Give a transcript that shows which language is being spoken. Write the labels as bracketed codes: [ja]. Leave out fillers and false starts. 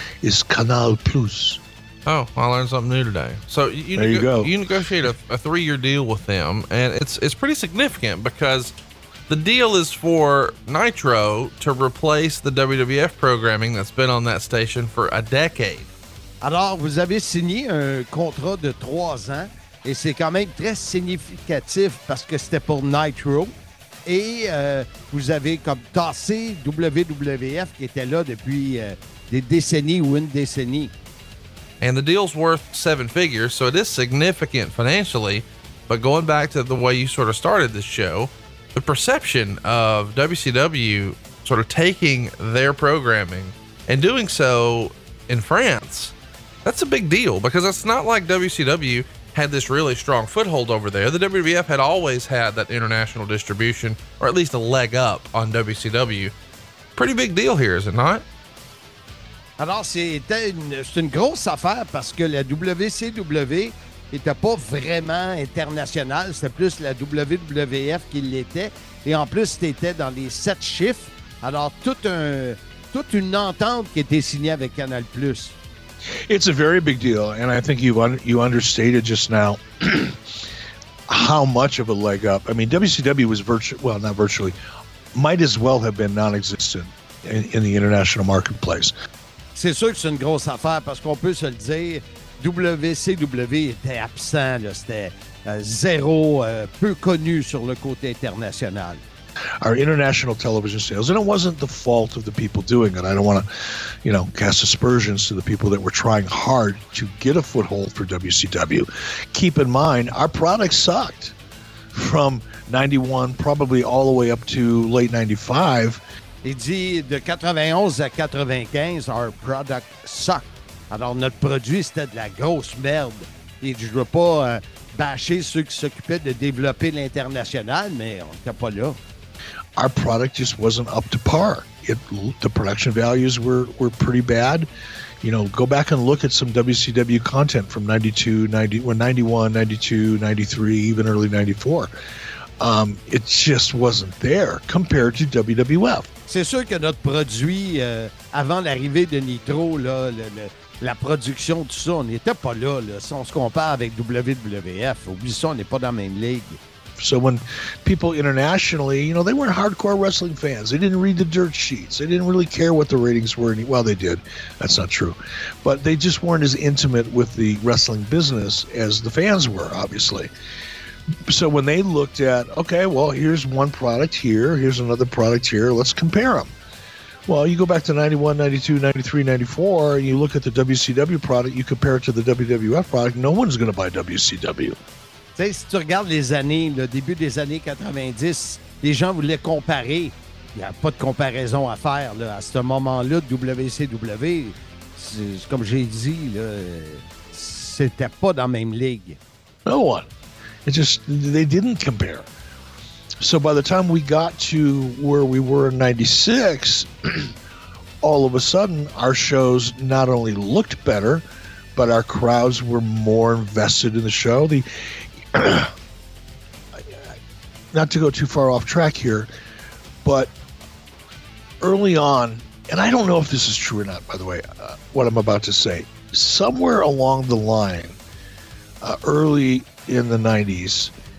[en] It's Canal Plus. Oh, I learned something new today. So you negotiate a 3-year deal with them, and it's pretty significant because the deal is for Nitro to replace the WWF programming that's been on that station for a decade. [fr] Alors, vous avez signé un contrat de 3 ans et c'est quand même très significatif parce que c'était pour Nitro. Et vous avez comme tassé WWF qui était là depuis des décennies ou une décennie. [en] And the deal's worth 7 figures, so it is significant financially. But going back to the way you sort of started this show, the perception of WCW sort of taking their programming and doing so in France... That's a big deal because it's not like WCW had this really strong foothold over there. The WWF had always had that international distribution, or at least a leg up on WCW. Pretty big deal here, is it not? [fr] Alors, c'est une grosse affaire parce que la WCW était pas vraiment internationale. C'était plus la WWF qui l'était. Et en plus, c'était dans les 7 chiffres. Alors, toute une entente qui était signée avec Canal+. [en] It's a very big deal, and I think you understated just now how much of a leg up. I mean, WCW was might as well have been non-existent in the international marketplace. [fr] C'est sûr que c'est une grosse affaire, parce qu'on peut se le dire, WCW était absent, là, c'était zéro, peu connu sur le côté international. [en] Our international television sales, and it wasn't the fault of the people doing it. I don't want to, you know, cast aspersions to the people that were trying hard to get a foothold for WCW. Keep in mind, our product sucked from 91 probably all the way up to late 95. [fr] Il dit de 91 à 95, [en] our product sucked. [fr] Alors notre produit c'était de la grosse merde. Et je veux pas bâcher ceux qui s'occupaient de développer l'international, mais on n'était pas là. [en] Our product just wasn't up to par. The production values were pretty bad. You know, go back and look at some WCW content from 91, 92, 93, even early 94. It just wasn't there compared to WWF. [fr] C'est sûr que notre produit, avant l'arrivée de Nitro, là, la production, tout ça, on n'était pas là, là. Si on se compare avec WWF, oublie ça, on n'est pas dans la même ligue. [en] So when people internationally, you know, they weren't hardcore wrestling fans. They didn't read the dirt sheets. They didn't really care what the ratings were. Well, they did. That's not true. But they just weren't as intimate with the wrestling business as the fans were, obviously. So when they looked at, okay, well, here's one product here. Here's another product here. Let's compare them. Well, you go back to 91, 92, 93, 94, and you look at the WCW product, you compare it to the WWF product, no one's going to buy WCW. [fr] Tu sais, si tu regardes les années, le début des années 90, les gens voulaient comparer. Il n'y a pas de comparaison à faire là, à ce moment-là de WCW. Comme j'ai dit, là, c'était pas dans la même ligue. [en] No one. It just, they didn't compare. So by the time we got to where we were in 96, all of a sudden, our shows not only looked better, but our crowds were more invested in the show. The not to go too far off track here, but early on, and I don't know if this is true or not, by the way, what I'm about to say, somewhere along the line, early in the 90s,